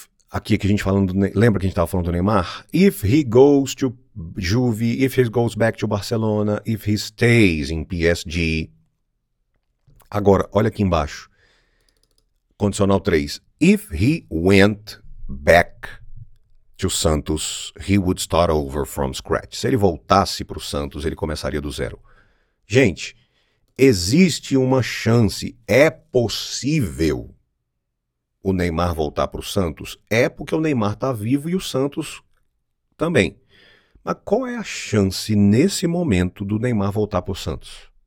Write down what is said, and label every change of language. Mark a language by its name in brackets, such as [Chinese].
[Portuguese] Aqui que a gente falando, lembra que a gente estava falando do Neymar? [English] If he goes to Juve, if he goes back to Barcelona, if he stays in PSG. [Portuguese] Agora, olha aqui embaixo. Condicional 3. [English] If he went back to Santos, he would start over from scratch. [Portuguese] Se ele voltasse para o Santos, ele começaria do zero. Gente, existe uma chance, é possível o Neymar voltar para o Santos? É porque o Neymar está vivo e o Santos também. Mas qual é a chance nesse momento do Neymar voltar para o Santos?